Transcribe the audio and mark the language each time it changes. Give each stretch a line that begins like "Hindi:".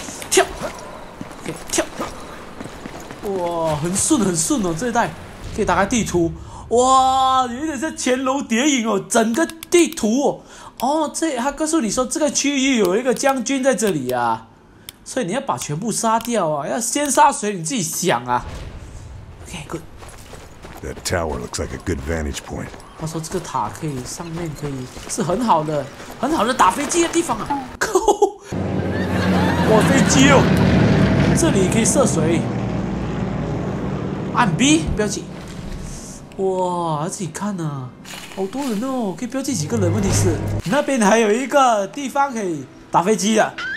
Chinese: 跳，可以跳！哇，很顺，很顺哦！这一代可以打开地图，哇，有点像潜龙谍影哦，整个地图哦，哦，这他告诉你说这个区域有一个将军在这里啊。所以你要把全部杀掉啊！要先杀谁你自己想啊。
English: Okay, good. That tower looks like a good vantage point.
Chinese: 他说这个塔可以上面可以是很好的、很好的打飞机的地方啊。靠！哇，飞机哦！这里可以射谁？按 B 标记。哇，自己看啊，好多人哦，可以标记几个人？问题是那边还有一个地方可以打飞机的。